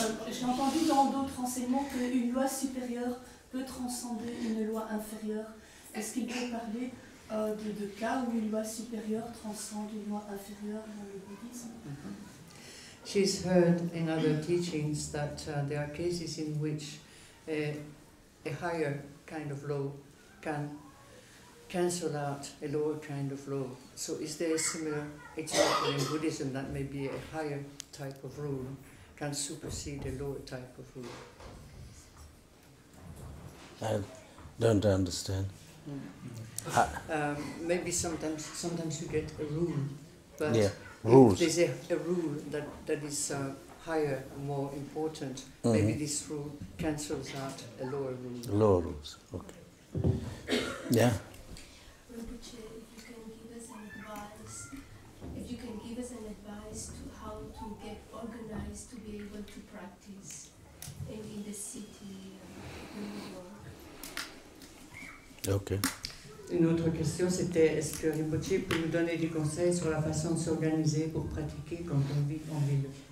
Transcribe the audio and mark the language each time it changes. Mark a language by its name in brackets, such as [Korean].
[French] J'ai entendu dans d'autres enseignements qu'une loi supérieure peut transcender une loi inférieure. Est-ce qu'il peut parler de cas où une loi supérieure transcende une loi inférieure dans le bouddhisme? [English] She's heard in other teachings that there are cases in which a higher kind of law can cancel out a lower kind of law. So is there a similar example in Buddhism that maybe a higher type of rule can supersede a lower type of rule? I don't understand. Maybe sometimes you get a rule, but... Yeah. Rules. There's a rule that is higher, more important. Mm-hmm. Maybe this rule cancels out a lower rule. Lower rules, okay. Yeah? Rinpoche, if you can give us an advice to how to get organized to be able to practice in the city, in New York. Okay. [French] Une autre question, c'était est-ce que Rinpoche peut nous donner des conseils sur la façon de s'organiser pour pratiquer quand on vit en ville?